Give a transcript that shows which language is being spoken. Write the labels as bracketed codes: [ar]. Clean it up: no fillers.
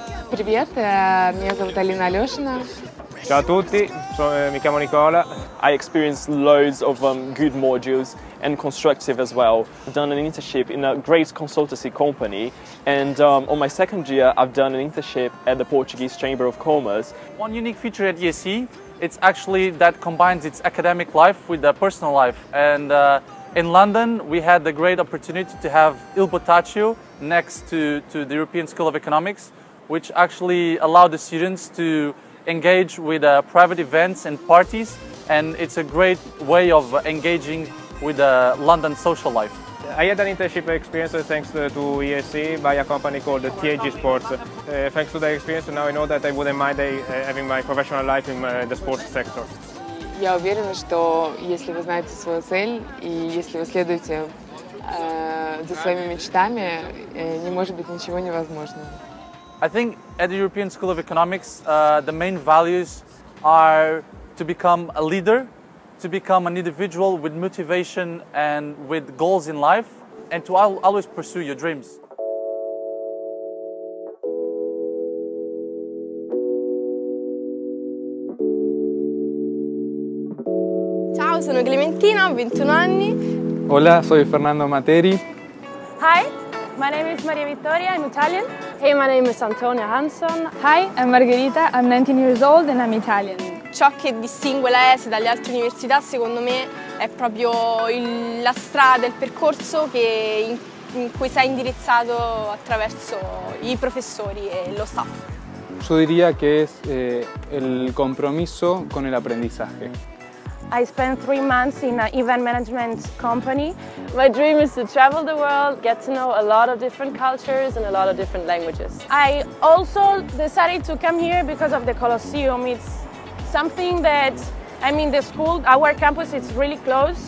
[ru] Привет, меня зовут Алина Алешина. [it] Ciao a tutti, mi chiamo Nicola. [en] I experienced loads of good modules and constructive as well. I've done an internship in a great consultancy company, and on my second year I've done an internship at the Portuguese Chamber of Commerce. One unique feature at ESC, it's actually that combines its academic life with the personal life. And in London we had the great opportunity to have Il Botaccio next to the European School of Economics, which actually allowed the students to engage with private events and parties, and it's a great way of engaging with London social life. I had an internship experience thanks to ESC by a company called TAG Sports. Thanks to the experience, now I know that I wouldn't mind having my professional life in the sports sector. [ru] Я уверена, что если вы знаете свою цель и если вы следуете за своими мечтами, не может быть ничего невозможного. [en] I think at the European School of Economics, the main values are to become a leader, to become an individual with motivation and with goals in life, and to always pursue your dreams. [it] Ciao, sono Clementina, 21 anni. [es] Hola, soy Fernando Materi. [en] Hi, my name is Maria Vittoria, I'm Italian. Hey, my name is Antonio Hanson. Hi, I'm Margherita, I'm 19 years old and I'm Italian. [it] Ciò che distingue la ESE dalle altre università, secondo me, è proprio la strada, il percorso che in cui si è indirizzato attraverso i professori e lo staff. Io diria che è il compromesso con l'apprendizaje. [en] I spent 3 months in an event management company. My dream is to travel the world, get to know a lot of different cultures and a lot of different languages. I also decided to come here because of the Colosseum. It's something that, I mean, the school, our campus is really close.